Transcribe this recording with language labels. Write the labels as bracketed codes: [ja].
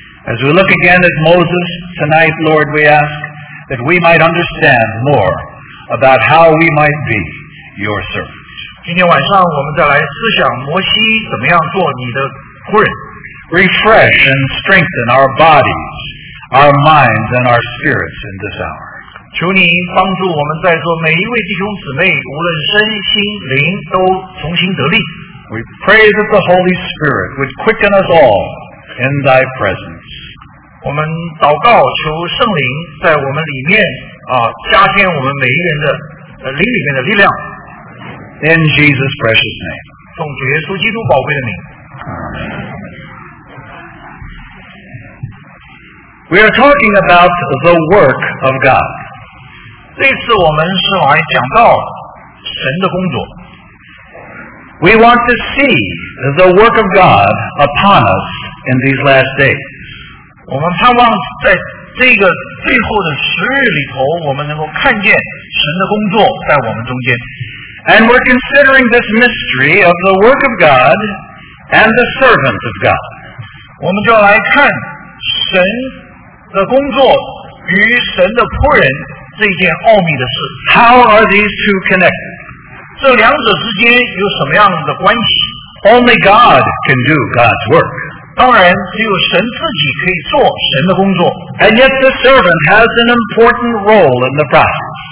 [en] As we look again at Moses tonight, Lord, we ask that we might understand more about how we might be your servant. [zh] 今天晚上我们再来思想摩西怎么样做你的仆人。 [en] Refresh and strengthen our bodies, our minds, and our spirits in this hour. [zh] 求你帮助我们在座每一位弟兄姊妹，无论身心灵都重新得力。 [en] We pray that the Holy Spirit would quicken us all in thy presence. [zh] 我们祷告求圣灵在我们里面加添我们每一人的灵里面的力量。 [en] In Jesus' precious name. [zh] 奉主耶稣基督宝贵的名。 [en] We are talking about the work of God. [zh] 这次我们是来讲到神的工作。 [en] We want to see the work of God upon us in these last days. [zh] 我们盼望在这个最后的时日里头，我们能够看见神的工作在我们中间。 [en] And we're considering this mystery of the work of God and the servant of God. [zh] 我们就来看神的工作与神的仆人。这件奥秘的事。 [en] How are these two connected? [zh] 这两者之间有什么样的关系？ [en] Only God can do God's work. [zh] 当然，只有神自己可以做神的工作。 [en] And yet the servant has an important role in the process.